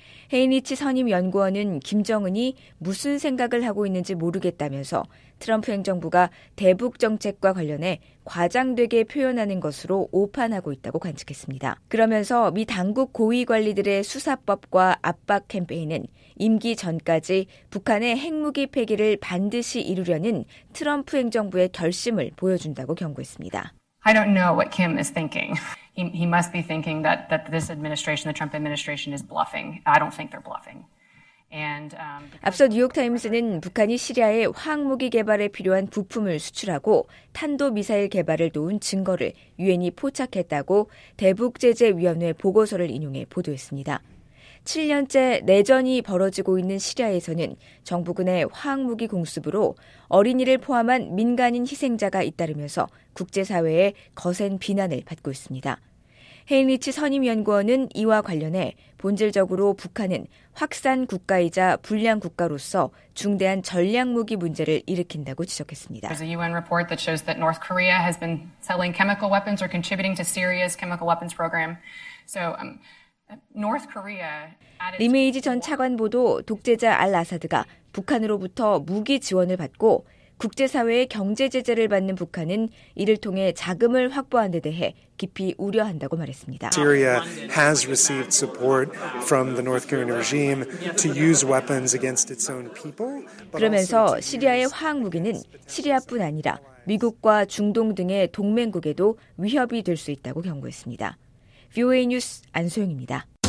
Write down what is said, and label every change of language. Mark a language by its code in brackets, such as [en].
[ko] 헤이니치 선임 연구원은 김정은이 무슨 생각을 하고 있는지 모르겠다면서 트럼프 행정부가 대북 정책과 관련해 과장되게 표현하는 것으로 오판하고 있다고 관측했습니다. 그러면서 미 당국 고위 관리들의 수사법과 압박 캠페인은 임기 전까지 북한의 핵무기 폐기를 반드시 이루려는 트럼프 행정부의 결심을 보여준다고 경고했습니다. [en] I don't know what Kim is thinking. He must be thinking that this administration, the Trump administration, is bluffing. I don't think they're bluffing. And [ko] 앞서 뉴욕 타임스는 북한이 시리아에 화학무기 개발에 필요한 부품을 수출하고 탄도 미사일 개발을 도운 증거를 유엔이 포착했다고 대북 제재 위원회 보고서를 인용해 보도했습니다. 7년째 내전이 벌어지고 있는 시리아에서는 정부군의 화학무기 공습으로 어린이를 포함한 민간인 희생자가 잇따르면서 국제사회의 거센 비난을 받고 있습니다. 헤인리치 선임연구원은 이와 관련해 본질적으로 북한은 확산 국가이자 불량 국가로서 중대한 전략무기 문제를 일으킨다고 지적했습니다. [en] There's a UN report that shows that North Korea has been selling chemical weapons or contributing to Syria's chemical weapons program. So, North Korea. [ko] 리메이지 전 차관보도 독재자 알 아사드가 북한으로부터 무기 지원을 받고 국제사회의 경제 제재를 받는 북한은 이를 통해 자금을 확보한 데 대해 깊이 우려한다고 말했습니다. [en] Syria has received support from the North Korean regime to use weapons against its own people. [ko] 그러면서 시리아의 화학 무기는 시리아뿐 아니라 미국과 중동 등의 동맹국에도 위협이 될 수 있다고 경고했습니다. VOA 뉴스 안소영입니다.